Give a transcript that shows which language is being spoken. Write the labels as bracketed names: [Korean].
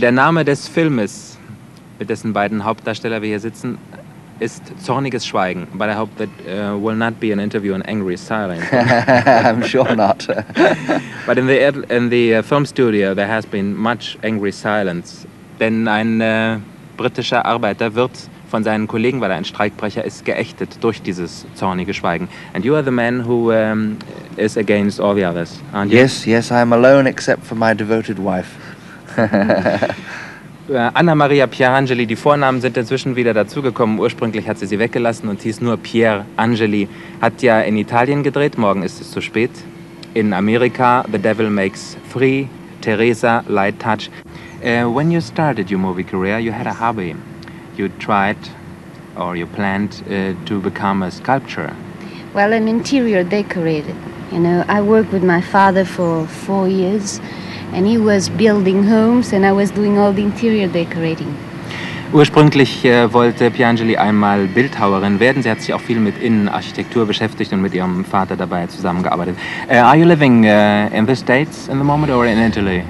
[German] Der Name des Filmes, mit dessen beiden Hauptdarsteller wir hier sitzen, ist Zorniges Schweigen. [English] But I hope that will not be an interview in angry silence. I'm sure not. But in the film studio there has been much angry silence. [German] Denn ein britischer Arbeiter wird von seinen Kollegen, weil er ein Streikbrecher ist, geächtet durch dieses zornige Schweigen. [English] And you are the man who is against all the others, aren't you? Yes, I'm alone except for my devoted wife. [German] Anna Maria Pier Angeli, die Vornamen sind inzwischen wieder dazugekommen. Ursprünglich hat sie sie weggelassen und hieß nur Pier Angeli. Hat ja in Italien gedreht, morgen ist es zu spät. In Amerika, The Devil Makes Three, Teresa, Light Touch. [English] When you started your movie career, you had a hobby. You tried, or you planned, to become a sculptor. Well, an interior decorator. You know, I worked with my father for 4 years, and he was building homes, and I was doing all the interior decorating. [German] Ursprünglich wollte Pier Angeli einmal Bildhauerin werden. Sie hat sich auch viel mit Innenarchitektur beschäftigt und mit ihrem Vater dabei zusammengearbeitet. [English] Are you living in the States in the moment or in Italy?